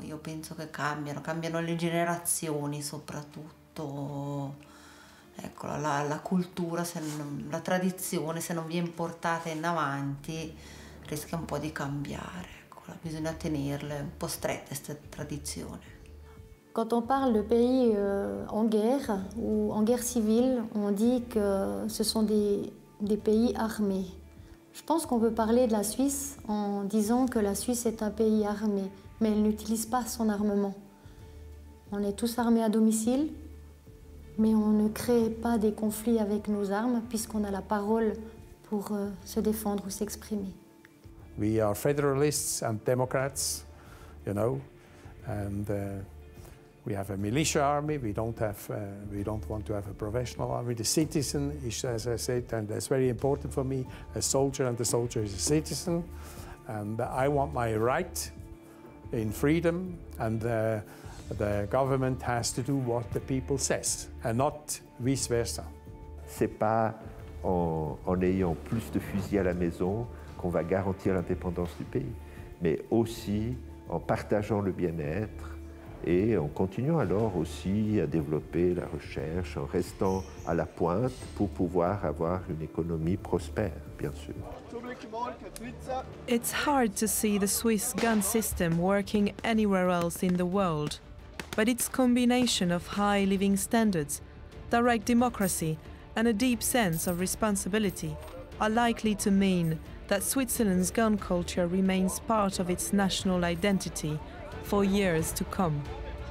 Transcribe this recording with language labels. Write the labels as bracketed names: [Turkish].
[Italian] Io penso che cambiano le generazioni soprattutto. Ecco, la cultura, se non, la tradizione, se non viene portata in avanti, rischia un po' di cambiare. Bisogna tenerle un po' strette cette tradizione. [French] Quand on parle de pays en guerre ou en guerre civile, on dit que ce sont des pays armés. Je pense qu'on peut parler de la Suisse en disant que la Suisse est un pays armé, mais elle n'utilise pas son armement. On est tous armés à domicile, mais on ne crée pas des conflits avec nos armes puisqu'on a la parole pour se défendre ou s'exprimer. [English] We are federalists and democrats, you know, and we have a militia army. We don't want to have a professional army. The citizen is, as I said, and that's very important for me, a soldier, and the soldier is a citizen. And I want my right in freedom, and the government has to do what the people says, and not vice versa. [French] C'est pas en ayant plus de fusils à la maison qu'on va garantir l'indépendance du pays, mais aussi en partageant le bien-être et en continuant alors aussi à développer la recherche, en restant à la pointe pour pouvoir avoir une économie prospère, bien sûr. [English] It's hard to see the Swiss gun system working anywhere else in the world, but its combination of high living standards, direct democracy and a deep sense of responsibility are likely to mean that Switzerland's gun culture remains part of its national identity for years to come.